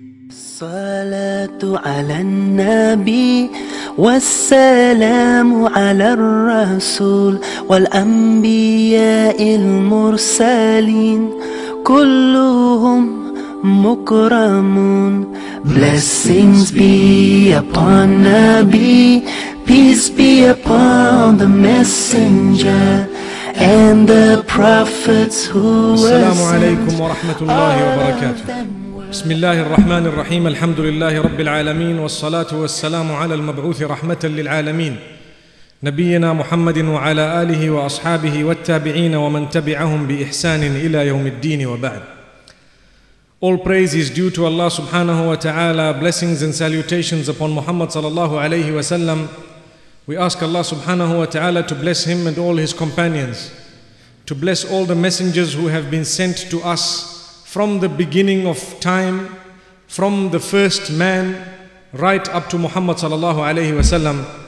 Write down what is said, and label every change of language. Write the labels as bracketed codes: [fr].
[ar] الصلاة على النبي والسلام على الرسول والأنبياء المرسلين كلهم مكرمون. [en] Blessings be upon Nabi, peace be upon the messenger and the prophets who were sent. [ar] السلام عليكم ورحمة الله وبركاته. بسم الله الرحمن الرحيم. الحمد لله رب العالمين، والصلاة والسلام على المبعوث رحمة للعالمين نبينا محمد وعلى آله وأصحابه والتابعين ومن تبعهم بإحسان إلى يوم الدين وبعد. [en] All praise is due to Allah subhanahu wa ta'ala. Blessings and salutations upon Muhammad sallallahu alayhi wa sallam. We ask Allah subhanahu wa ta'ala to bless him and all his companions, to bless all the messengers who have been sent to us from the beginning of time, from the first man right up to Muhammad sallallahu alayhi wa sallam.